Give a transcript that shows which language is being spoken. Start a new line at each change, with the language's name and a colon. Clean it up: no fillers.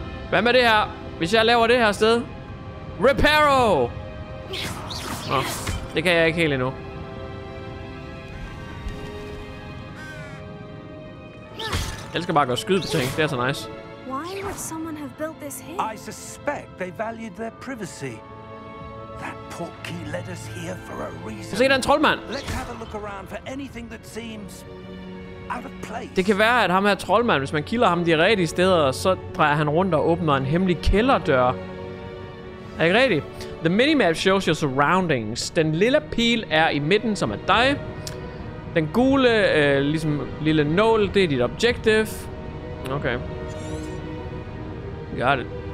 Danish: Hvad med det her? Hvis jeg laver det her sted? Reparo! Nå, det kan jeg ikke helt endnu. Jeg elsker bare at gå og skyde på ting. Det er så nice.
English: Someone have built this here. I suspect they valued their privacy. That portkey led us here for a reason.
Danish: Se den troldmand.
English: Let's have a look around for anything that seems out of place.
Danish: Det kan være, at ham her troldmand, hvis man killer ham de rigtige steder, så drejer han rundt og åbner en hemmelig kælderdør. Er det ikke rigtigt?
English: The minimap shows your surroundings.
Danish: Den lille pil er i midten, som er dig. Den gule, ligesom lille nål, det er dit objective. Okay. Got it.